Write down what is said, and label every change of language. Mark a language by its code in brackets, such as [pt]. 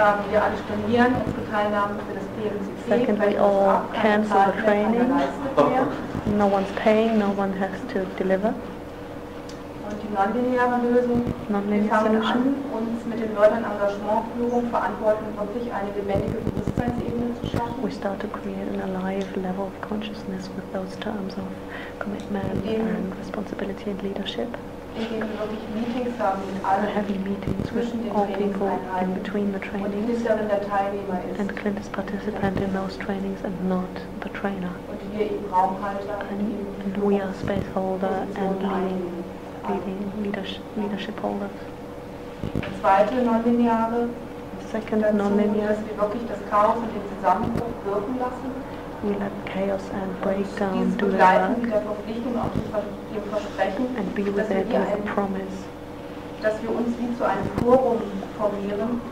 [de] Wir alle spendieren unsere Teilnahme für das PMCC. [en] Second, we all cancel the training. No one's paying, no one has to deliver. [de] Non-linear Lösung. Wir fangen an, uns mit den Leuten Engagement, Führung, Verantwortung wirklich eine lebendige Bewusstseinsebene zu schaffen. [en] We start to create an alive level of consciousness with those terms of commitment and responsibility and leadership. We're having meetings with all people in between the trainings and Clint is participant in those trainings and not the trainer. And we are space holder and leading leadership holders. [de] Zweite non-lineare. [en] Second non-linear. [de] Dass wir wirklich das Chaos und den Zusammenbruch wirken lassen. [en] We let chaos and breakdown [de] und [en] do the work. And be with it with a promise. [de] Dass wir uns wie zu einem Forum formieren.